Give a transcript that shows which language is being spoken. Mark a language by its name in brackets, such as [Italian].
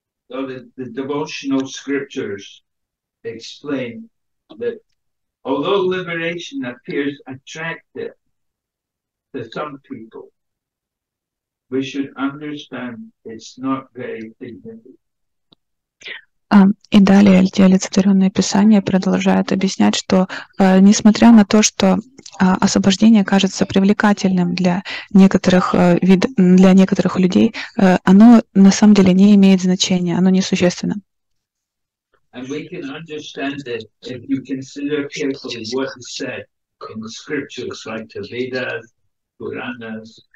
[English] So the devotional scriptures explain that although liberation appears attractive to some people, we should understand it's not very significant. [Russian] И далее олицетворенное писание продолжает объяснять, что несмотря на то, что освобождение кажется привлекательным для некоторых людей, оно на самом деле не имеет значения, оно несущественно. [English] And we can understand it if you consider carefully what is said in the scriptures, like the Vedas, Puranas.